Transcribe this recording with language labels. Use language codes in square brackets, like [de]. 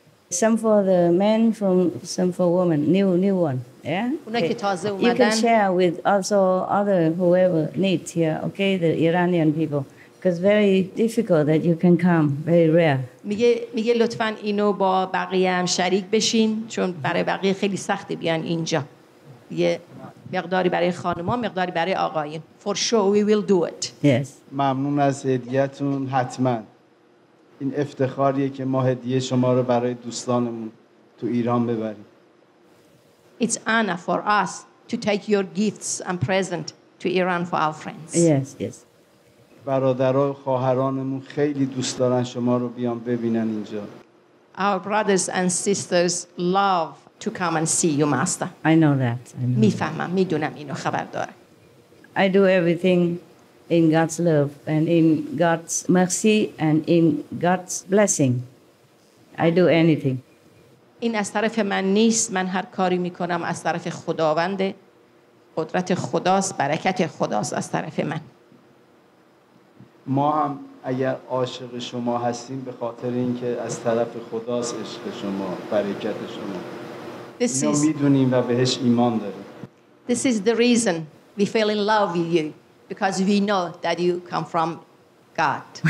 [en] Some for the men, from some for women. New one, yeah. [fa] Okay. که تازه اومدن. [en] You can share with also other whoever needs here, okay? The Iranian people, because very difficult that you can come, very rare. [fa] میگه لطفاً اینو با بقیه هم شریک بشین چون برای بقیه خیلی سخته بیان اینجا. یه مقداری برای خانم‌ها، مقداری برای آقایان. [en] For sure, we will do it. Yes. [fa] ممنون از هدیه‌تون حتماً. این افتخاریه که ما هدیه شما رو برای دوستانمون تو ایران ببریم. [en] It's honor for us to take your gifts and present to Iran for our friends. Yes. [fa] برادرها و خواهرانمون خیلی دوست دارن شما رو بیان ببینن اینجا. [en] Our brothers and sisters love to come and see you, Master. I know that. [fa] میفهمم، میدونم اینو خبر داره. [en] I do everything in God's love and in God's mercy and in God's blessing. I do anything. [fa] این از طرف من نیست. من هر کاری میکنم از طرف خداوند. قدرت خداست، برکت خداست از طرف من. ما هم اگر عاشق شما هستیم به خاطر اینکه از طرف خداست عشق شما، برکت شما. اینو میدونیم و بهش ایمان داریم. [en] This is the reason we fell in love with you. Because we know that you come from God.